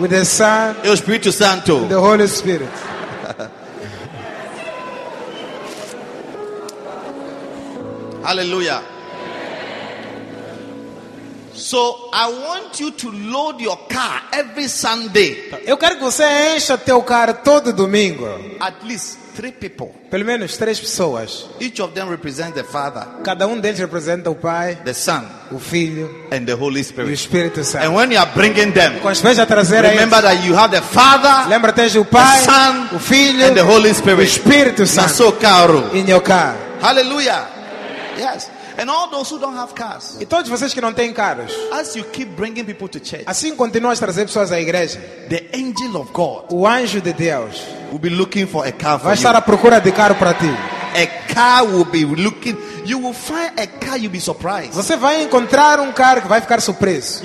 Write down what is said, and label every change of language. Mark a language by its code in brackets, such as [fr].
[en] With the Son. [pt] E o Espírito Santo. [en] The Holy Spirit. Hallelujah. So I want you to load your car every Sunday. [pt] Eu quero que você encha teu carro todo domingo. [en] At least three people. [pt] Pelo menos três pessoas. [en] Each of them represents the Father. [pt] Cada deles representa o Pai. [en] The Son. [pt] O Filho. [en] And the Holy Spirit. [pt] E o Espírito Santo. [en] And when you are bringing them, [pt] quando estás a trazer, [en] remember [pt] eles, [en] that you have the Father. [pt] Lembra que tens o Pai. [en] The Son. [pt] O Filho. [en] And the Holy Spirit. [pt] O Espírito Santo. Na seu carro. [en] In your car. Hallelujah. Yes. And all those who don't have cars. [pt] E todos vocês que não têm carros. [en] As you keep bringing people to church. [pt] Assim continuas a trazer pessoas à igreja. [en] The angel of God. [pt] O anjo de Deus. [en] Will be looking for a car for [pt] you. Vai estar à procura de carro para ti. [en] A car will be looking. You will find a car, you'll be surprised. [pt] Você vai encontrar carro que vai ficar surpreso.